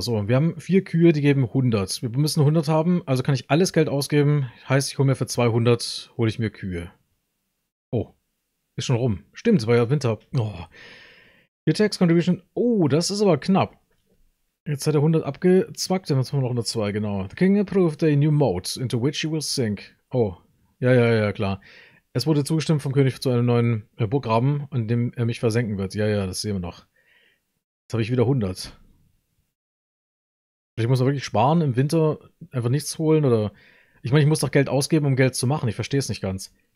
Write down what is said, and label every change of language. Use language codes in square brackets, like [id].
[de] So, wir haben 4 Kühe, die geben 100. Wir müssen 100 haben, also kann ich alles Geld ausgeben. Heißt, ich hole mir für 200, hole ich mir Kühe. Oh, ist schon rum. Stimmt, es war ja Winter. Oh. [en] Your tax contribution, [de] oh, das ist aber knapp. Jetzt hat er 100 abgezwackt, dann haben wir noch 102, genau. [en] The king approved a new mode, into which you will sink. [de] Oh, ja, klar. Es wurde zugestimmt vom König zu einem neuen Burggraben, in dem er mich versenken wird. Ja, das sehen wir noch. Jetzt habe ich wieder 100. Ich muss doch wirklich sparen im Winter, einfach nichts holen oder... Ich meine, ich muss doch Geld ausgeben, um Geld zu machen. Ich verstehe es nicht ganz.